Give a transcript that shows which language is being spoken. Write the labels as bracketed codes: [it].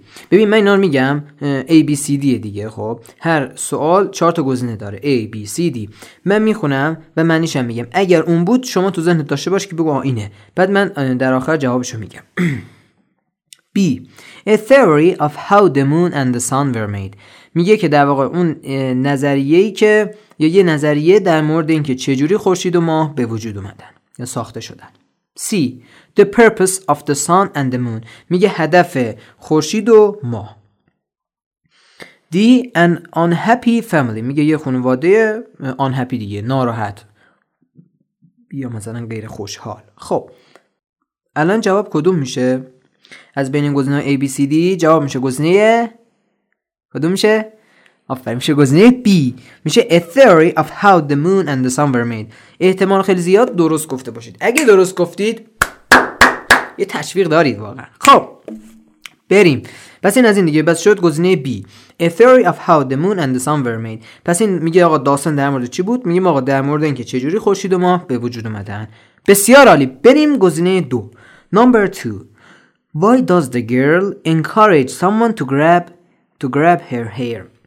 [fa] ببین من اینا رو میگم A B C D دیگه. خب هر سوال 4 تا گزینه داره، A B C D. من میخونم و معنیش هم میگم، اگر اون بود شما تو ذهنت داشته باش که بگو آه اینه، بعد من در آخر جوابشو میگم. B. [en] A theory of how the moon and the sun were made. [fa] میگه که در واقع اون نظریه‌ای که یا یه نظریه در مورد این که چجوری خورشید و ماه به وجود اومدن یا ساخته شدن. C. [en] The purpose of the sun and the moon. [fa] میگه هدف خورشید و ماه. D. [en] An unhappy family. [fa] میگه یه خانواده unhappy دیگه، ناراحت یا مثلا غیر خوشحال. خب الان جواب کدوم میشه از بین گزینه A, B, C, D؟ جواب میشه گزینه کدوم میشه؟ آفرین، میشه گزینه B، میشه [en] A theory of how the moon and the sun were made. [fa] احتمال خیلی زیاد درست گفته باشید. اگه درست گفتید یه تشویق دارید واقعا. خب بریم. پس این از این دیگه، بس شد گزینه B، [en] A theory of how the moon and the sun were made. [fa] پس این میگه آقا داستان در مورد چی بود؟ میگه آقا در مورد اینکه چه جوری خورشید و ماه به وجود اومدن. بسیار عالی، بریم گزینه 2. [en] Number 2. Why does the girl encourage someone to grab her hair.